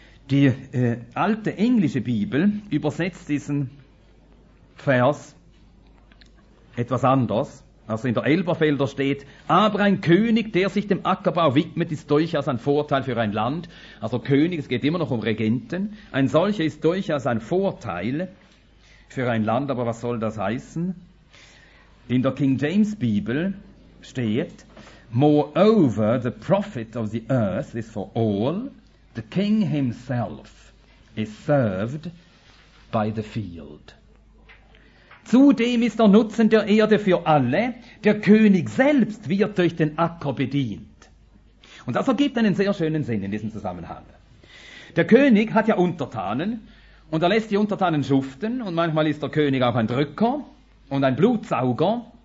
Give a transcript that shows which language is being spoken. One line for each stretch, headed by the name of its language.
German: Die alte englische Bibel übersetzt diesen Vers etwas anders. Also in der Elberfelder steht, aber ein König, der sich dem Ackerbau widmet, ist durchaus ein Vorteil für ein Land. Also König, es geht immer noch um Regenten. Ein solcher ist durchaus ein Vorteil für ein Land, aber was soll das heißen? In der King James Bibel steht,
English: moreover, the profit of the earth is for all, the king himself is served by the field.
German: Zudem ist der Nutzen der Erde für alle, der König selbst wird durch den Acker bedient. Und das ergibt einen sehr schönen Sinn in diesem Zusammenhang. Der König hat ja Untertanen und er lässt die Untertanen schuften und manchmal ist der König auch ein Drücker und ein Blutsauger.